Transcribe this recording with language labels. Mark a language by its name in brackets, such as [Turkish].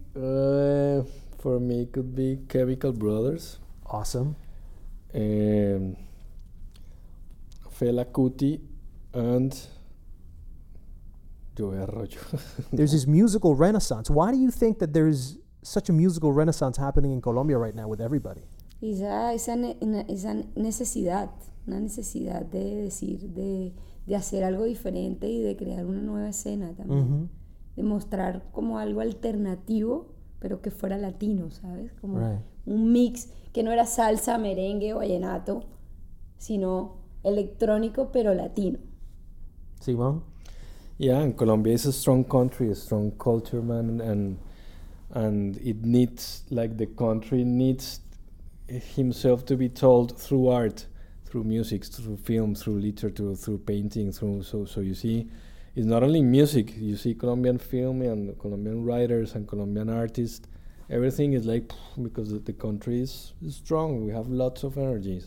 [English] For me, it could be Chemical Brothers. Awesome. Fela Kuti and... There's this musical renaissance. Why do you think that there's such a musical renaissance happening in Colombia right now with everybody? [Spanish] Es una necesidad, una necesidad de decir, de hacer algo diferente y de crear una nueva escena también. Mm-hmm. De mostrar como algo alternativo, pero que fuera latino, ¿sabes? Como un mix que no era salsa, merengue o vallenato, sino electrónico pero latino. Simón. [English] Yeah, and Colombia is a strong country, a strong culture, man, and it needs, like, the country needs himself to be told through art, through music, through film, through literature, through painting, so you see, it's not only music, you see Colombian film and Colombian writers and Colombian artists, everything is like, because the country is strong, we have lots of energy.